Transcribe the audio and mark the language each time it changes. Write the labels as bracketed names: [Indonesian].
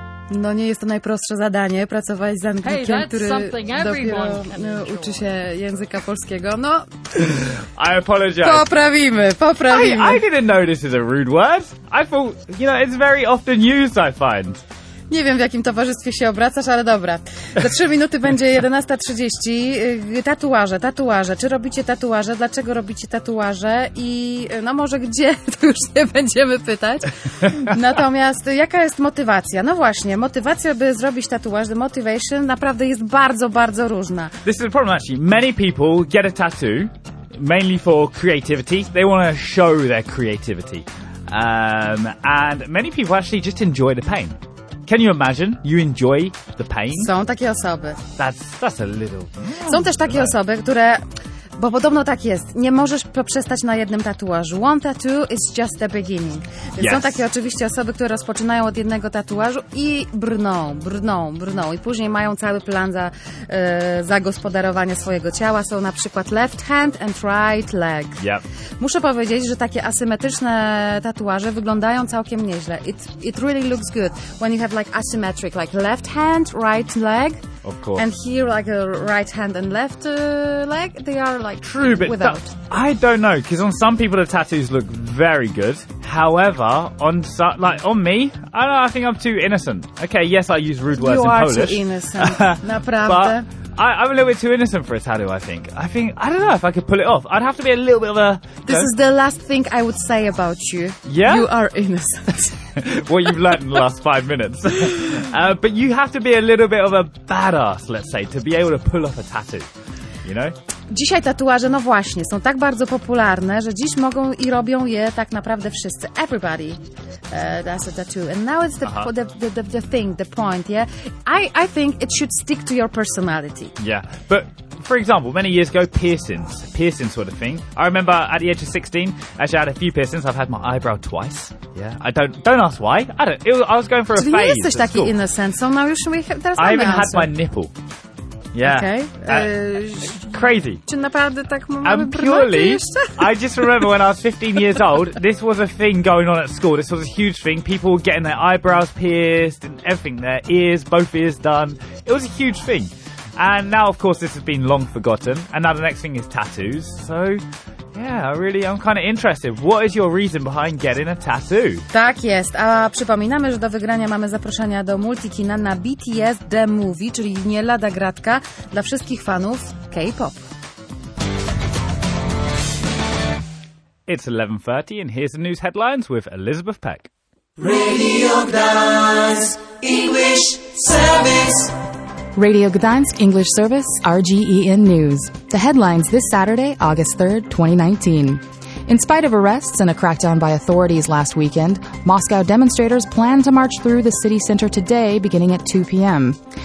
[Polish] No nie jest to najprostsze zadanie, pracować z Anglikiem, który dopiero uczy się języka polskiego. No, [English] I apologize. [Polish] Poprawimy. [English] I didn't know this is a rude word. I thought, you know, it's very often used, I find. [Polish] Nie wiem, w jakim towarzystwie się obracasz, ale dobra. Za 3 minuty będzie 11:30. Tatuaże. Czy robicie tatuaże? Dlaczego robicie tatuaże? I no może gdzie? To już nie będziemy pytać. Natomiast jaka jest motywacja? No właśnie, motywacja, by zrobić tatuaż, [English] the motivation, [Polish] naprawdę jest bardzo, bardzo różna. [English] This is the problem actually. Many people get a tattoo mainly for creativity. They want to show their creativity. And many people actually just enjoy the pain. Can you imagine? You enjoy the pain? [Polish] Są takie osoby. [English] That's a little... [Polish] Są też takie osoby, które... Bo podobno tak jest. Nie możesz poprzestać na jednym tatuażu. [English] One tattoo is just the beginning. Yes. [Polish] Są takie oczywiście osoby, które rozpoczynają od jednego tatuażu i brną. I później mają cały plan za zagospodarowanie swojego ciała. Są na przykład [English] left hand and right leg. Yep. [Polish] Muszę powiedzieć, że takie asymetryczne tatuaże wyglądają całkiem nieźle. [English] It really looks good when you have like asymmetric, like left hand, right leg. Of course. And here, like a right hand and left leg, they are like true, but without. I don't know, because on some people the tattoos look very good. However, on me, I think I'm too innocent. Okay, yes, I use rude words you in Polish. You are too innocent, [Polish] naprawdę. [English] But I'm a little bit too innocent for a tattoo. I think I don't know if I could pull it off. I'd have to be a little bit of a. This is the last thing I would say about you. Yeah, you are innocent. What you've learned in the last 5 minutes. But you have to be a little bit of a badass, let's say, to be able to pull off a tattoo, you know? [Polish] Dzisiaj tatuaże, no właśnie, są tak bardzo popularne, że dziś mogą i robią je tak naprawdę wszyscy. [English] Everybody does a tattoo. And now it's the thing, the point, yeah? I think it should stick to your personality. Yeah, but for example, many years ago, piercings were the thing. I remember at the age of 16, actually I had a few piercings. I've had my eyebrow twice. Yeah, I don't ask why. I was going for a phase. [Polish] Czyli nie jesteś taki innocent, [English] so now [Polish] już teraz mamy [English] I even had my nipple. Yeah. Okay. Crazy. [Polish] Czy naprawdę tak mamy brnąć jeszcze? [English] And purely, I just remember when I was 15 years old, this was a thing going on at school. This was a huge thing. People were getting their eyebrows pierced and everything, their ears, both ears done. It was a huge thing. And now, of course, this has been long forgotten. And now the next thing is tattoos. So, yeah, I'm kind of interested. What is your reason behind getting a tattoo? [Polish] Tak jest. A przypominamy, że do wygrania mamy zaproszenia do multikina na BTS The Movie, czyli nie lada gratka dla wszystkich fanów K-pop. [English] It's 11:30 and here's the news headlines with Elizabeth Peck. Radio Gdańsk, English Service. Radio Gdańsk English Service, RGEN News. The headlines this Saturday, August 3rd, 2019. In spite of arrests and a crackdown by authorities last weekend, Moscow demonstrators plan to march through the city center today, beginning at 2 p.m.